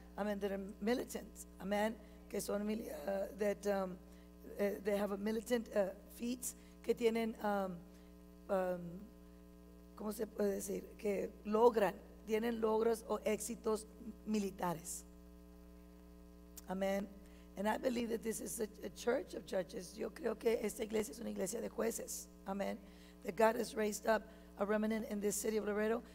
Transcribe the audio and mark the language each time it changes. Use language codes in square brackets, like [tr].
[en] Amen, that are militant. Amen, [es] que son [en] they have a militant feats, [es] que tienen ¿cómo se puede decir? Que tienen logros o éxitos militares. Amen. [en] And I believe that this is a church of judges. [es] Yo creo que esta iglesia es una iglesia de jueces. [en] Amen. That God has raised up a remnant in this city of Laredo.